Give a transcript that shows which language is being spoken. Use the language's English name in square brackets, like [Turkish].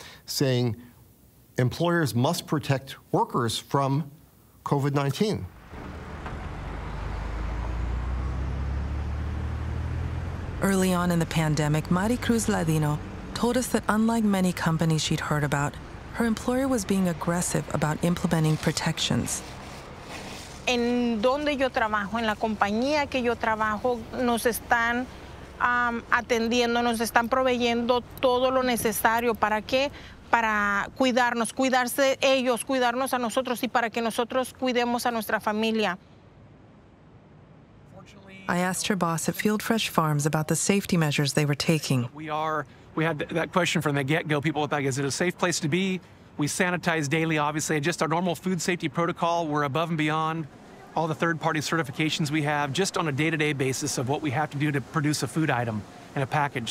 [English] saying employers must protect workers from COVID-19. Early on in the pandemic, Maricruz Ladino told us that unlike many companies she'd heard about, her employer was being aggressive about implementing protections. [Spanish] En donde yo trabajo, en la compañía que yo trabajo, nos están atendiendo, nos están proveyendo todo lo necesario. ¿Para qué? Para cuidarnos, cuidarse ellos, cuidarnos a nosotros y para que nosotros cuidemos a nuestra familia. [English] I asked her boss at Field Fresh Farms about the safety measures they were taking. We had that question from the get-go. People were like, is it a safe place to be? We sanitize daily, obviously, just our normal food safety protocol. We're above and beyond all the third-party certifications we have, just on a day-to-day basis of what we have to do to produce a food item and a package.